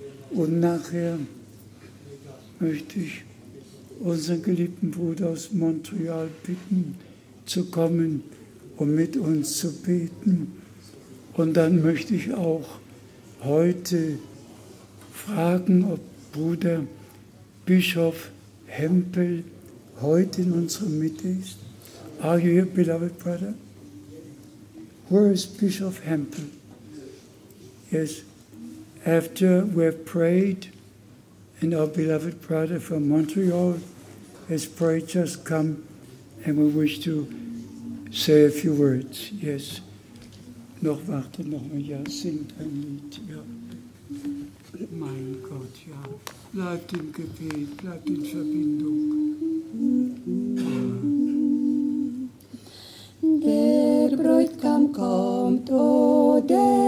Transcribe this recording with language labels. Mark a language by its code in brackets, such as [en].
[de] Und nachher möchte ich unseren geliebten Bruder aus Montreal bitten, zu kommen, um mit uns zu beten. Und dann möchte ich auch heute fragen, ob Bruder Bischof Hempel heute in unserer Mitte ist. [en] Are you here, beloved brother? Where is Bishop Hempel? Yes, after we have prayed and our beloved brother from Montreal has prayed, just come and we wish to say a few words. Yes. [de] Noch warte, noch ein Jahr, singt ein Lied, ja. Mein Gott, ja. Bleibt im Gebet, bleibt in Verbindung. Der Bräutigam kommt, oh, der